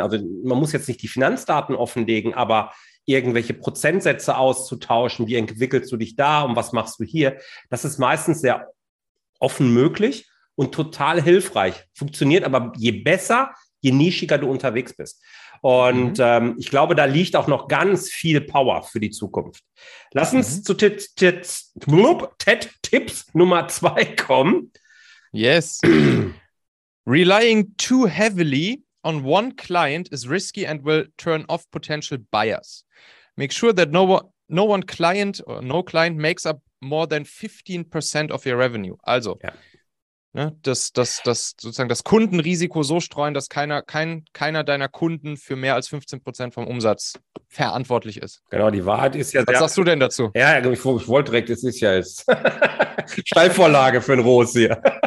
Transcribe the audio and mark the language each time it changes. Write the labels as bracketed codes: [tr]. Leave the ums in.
[de] Also man muss jetzt nicht die Finanzdaten offenlegen, aber irgendwelche Prozentsätze auszutauschen, wie entwickelst du dich da und was machst du hier, das ist meistens sehr offen möglich und total hilfreich. Funktioniert aber je besser, je nischiger du unterwegs bist. Und Mhm. ähm, ich glaube, da liegt auch noch ganz viel Power für die Zukunft. Lass uns Mhm. zu Tit- Tit- Blub, TED-Tipps Nummer zwei kommen. [en] Yes. Relying too heavily on one client is risky and will turn off potential buyers. Make sure that no one, no one client or no client makes up more than 15% of your revenue. [de] Also, Ja. ne, das, das, das, sozusagen das Kundenrisiko so streuen, dass keiner, kein, keiner deiner Kunden für mehr als 15% vom Umsatz verantwortlich ist. Genau, die Wahrheit ist ja Was sagst du denn dazu? Ja, ja, ich, ich wollte direkt, es ist ja jetzt Steilvorlage für ein Ros hier.